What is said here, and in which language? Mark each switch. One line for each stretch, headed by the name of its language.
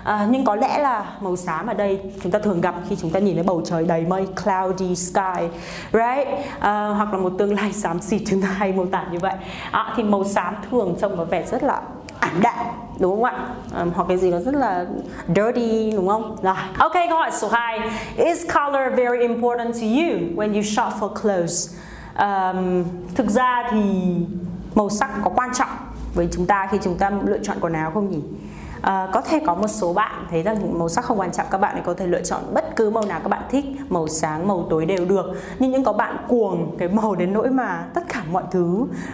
Vietnamese: Nhưng có lẽ là màu xám ở đây chúng ta thường gặp khi chúng ta nhìn thấy bầu trời đầy mây,
English: cloudy sky, right?
Vietnamese: Hoặc là một tương lai xám xịt chúng ta hay mô tả như vậy. Thì màu xám thường trông có vẻ rất là ảm đạm, đúng không ạ? Hoặc cái gì nó rất là dirty, đúng không? Rồi. Ok, câu hỏi số 2.
English: Is color very important to you when you shop for clothes?
Vietnamese: Thực ra thì màu sắc có quan trọng với chúng ta khi chúng ta lựa chọn quần áo không nhỉ? Có thể có một số bạn thấy rằng màu sắc không quan trọng, các bạn có thể lựa chọn bất cứ màu nào các bạn thích, màu sáng, màu tối đều được. Nhưng có bạn cuồng cái màu đến nỗi mà tất cả mọi thứ